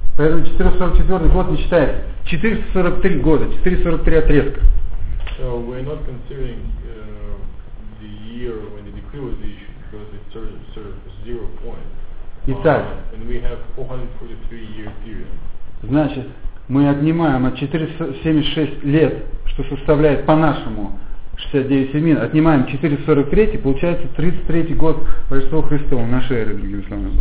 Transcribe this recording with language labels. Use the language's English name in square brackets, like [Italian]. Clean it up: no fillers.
[Russian] Поэтому 444 год не считается. 443 года, 443 отрезка. [English] So we're not considering the year when the decree was issued, because it served as 0 point. [Russian] Итак, [English] and we have 443 year period. [Russian] Значит, мы отнимаем от 476 лет, что составляет по-нашему 69 семин, отнимаем 443, получается 33 год Рождества Христова, нашей эры, другими словами.